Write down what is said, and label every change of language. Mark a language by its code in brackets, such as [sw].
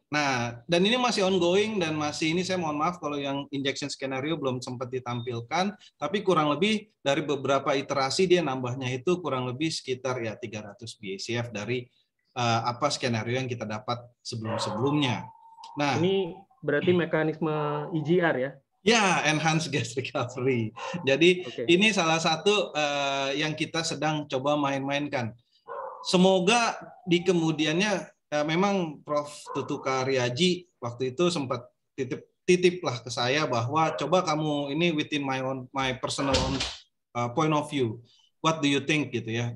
[id] Nah, dan ini masih ongoing dan masih ini saya mohon maaf kalau yang injection scenario belum sempat ditampilkan, tapi kurang lebih dari beberapa iterasi dia nambahnya itu kurang lebih sekitar ya 300 BCF dari apa skenario yang kita dapat sebelum-sebelumnya. Nah, ini berarti mekanisme EGR ya. Ya, enhanced gas recovery. Jadi okay, ini salah satu yang kita sedang coba main-mainkan. Semoga di kemudiannya memang Prof. Tutuka Riaji waktu itu sempat titip ke saya bahwa coba kamu ini [en] within my personal point of view, what do you think [id] gitu ya.